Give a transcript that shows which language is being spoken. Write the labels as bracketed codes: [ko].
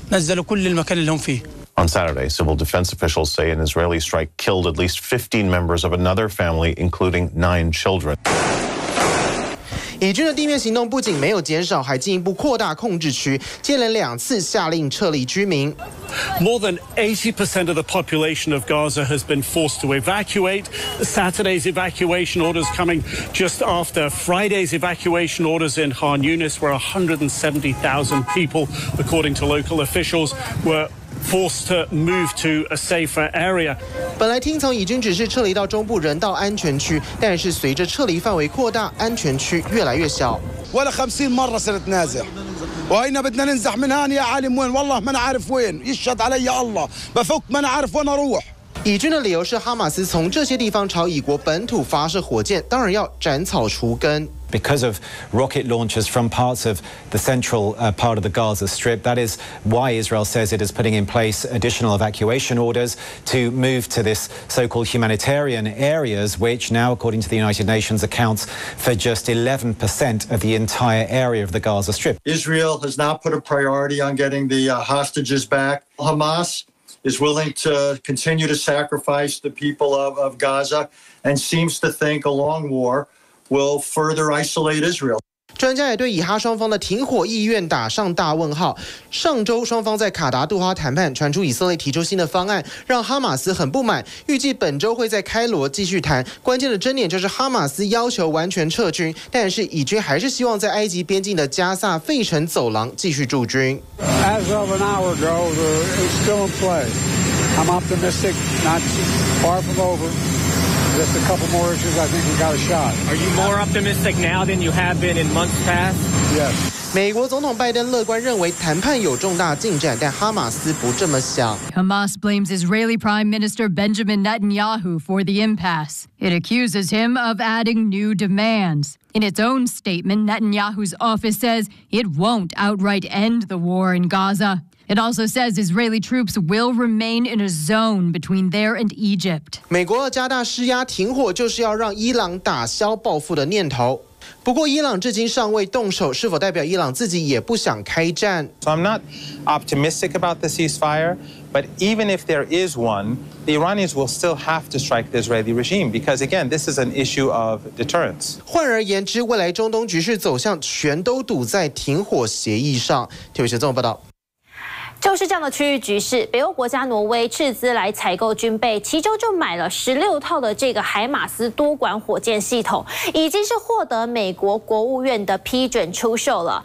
[en] On Saturday, civil defense officials say an Israeli strike killed at least 15 members of another family, including 9 children. [zh] 以军的地面行动不仅没有减少，还进一步扩大控制区，接连两次下令撤离居民。 [en] More than 80% of the population of Gaza has been forced to evacuate. Saturday's evacuation orders coming just after Friday's evacuation orders in Khan Yunis, where 170,000 people, according to local officials, were forced to move to a safer area. [zh] 本来听从以军指示撤离到中部人道安全区，但是随着撤离范围扩大，安全区越来越小。 [ar] ولا 50 مرة صرت نازح. وهنا بدنا ننزح من هان يا عالم وين والله ما نعرف وين يشهد علي الله بفك ما نعرف وين اروح. [zh] 以军的理由是哈马斯从这些地方朝以国本土发射火箭，当然要斩草除根。 [en] Because of rocket launches from parts of the central part of the Gaza Strip, that is why Israel says it is putting in place additional evacuation orders to move to this so-called humanitarian areas, which now, according to the United Nations, accounts for just 11% of the entire area of the Gaza Strip. Israel has not put a priority on getting the hostages back. Hamas is willing to continue to sacrifice the people of Gaza and seems to think a long war will further isolate Israel. [zh] 专家也对以哈双方的停火意愿打上大问号。上周双方在卡达杜哈谈判，传出以色列提出新的方案，让哈马斯很不满。预计本周会在开罗继续谈。关键的争点就是哈马斯要求完全撤军，但是以军还是希望在埃及边境的加萨费城走廊继续驻军。 [en] As of an hour ago, it's still in play. I'm optimistic, not far from over. Just a couple more issues, I think we got a shot. Are you more optimistic now than you have been in months past? Yes. [zh] 美国总统拜登乐观认为谈判有重大进展，但哈马斯不这么想。 [en] Hamas blames Israeli Prime Minister Benjamin Netanyahu for the impasse. It accuses him of adding new demands. In its own statement, Netanyahu's office says it won't outright end the war in Gaza. It also says Israeli troops will remain in a zone between there and Egypt. [zh] 美国加大施压，停火就是要让伊朗打消报复的念头。不过伊朗至今尚未动手，是否代表伊朗自己也不想开战？ [en] So I'm not optimistic about the ceasefire, but even if there is one, the Iranians will still have to strike the Israeli regime because again, this is an issue of deterrence. [zh] 换而言之，未来中东局势走向全都赌在停火协议上。特别是这么报道。就是这样的区域局势，北欧国家挪威斥资来采购军备，其中就买了16套的这个海马斯多管火箭系统，已经是获得美国国务院的批准出售了。